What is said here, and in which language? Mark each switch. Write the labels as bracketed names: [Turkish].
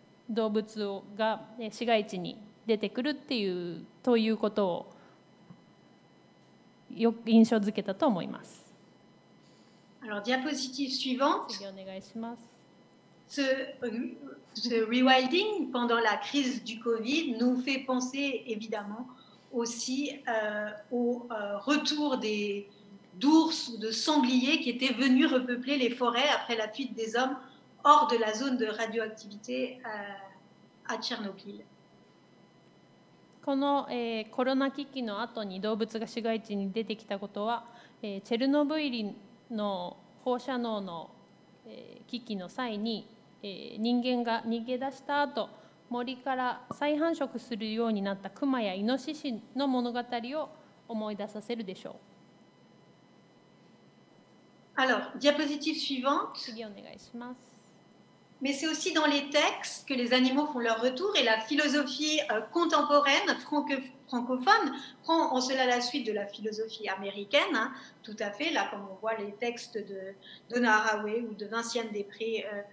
[Japanese] 動物が市街地に出てくるっていうということをよく印象付けたと思います。 [French] Alors, diapositive suivante. [Japanese] 次お願いします。 [French] Ce rewilding pendant la crise du Covid nous fait penser évidemment. Aussi retour d'ours ou de sangliers qui étaient venus repeupler les forêts après la fuite des hommes hors de la zone de radioactivité à Tchernobyl. [Japanese] この、コロナ危機の後に動物が市街地に出てきたことは、チェルノブイリの放射能の、危機の際に、人間が逃げ出した後森から再繁殖するようになったクマやイノシシの物語を思い出させるでしょう。 [French] Alors, diapositive suivante. [Japanese] 次お願いします。 [French] Mais c'est aussi dans les textes que les animaux font leur retour et la philosophie contemporaine francophone prend en cela la suite de la philosophie américaine, hein, tout à fait, là, comme on voit les textes de Donna Haraway ou de Vinciane Després.